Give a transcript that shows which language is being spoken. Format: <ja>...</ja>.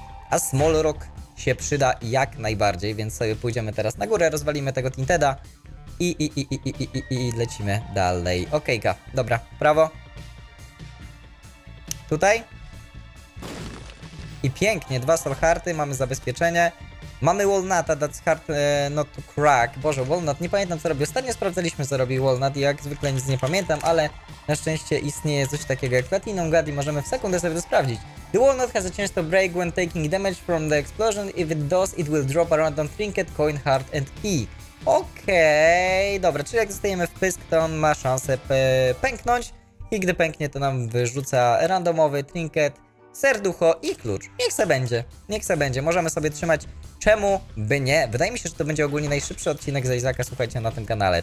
<pl>A Small Rock się przyda jak najbardziej, więc sobie pójdziemy teraz na górę, rozwalimy tego Tinteda. I lecimy dalej. Okejka, dobra, prawo. Tutaj. I pięknie, dwa Soul Hearty, mamy zabezpieczenie. Mamy Walnuta, that's hard not to crack. Boże, Walnut, nie pamiętam co robi. Ostatnio sprawdzaliśmy co robi Walnut i jak zwykle nic nie pamiętam, ale na szczęście istnieje coś takiego jak Platinum Guard i możemy w sekundę sobie to sprawdzić.</pl> <en>The Walnut has a chance to break when taking damage from the explosion. If it does, it will drop a random trinket, coin, heart and key.</en> <pl>Okej, dobra, czyli jak zostajemy w pysk, to on ma szansę pęknąć i gdy pęknie, to nam wyrzuca randomowy trinket, serducho i klucz. Niech se będzie, niech se będzie. Możemy sobie trzymać. Czemu by nie? Wydaje mi się, że to będzie ogólnie najszybszy odcinek z Isaaca, słuchajcie, na tym kanale.</pl>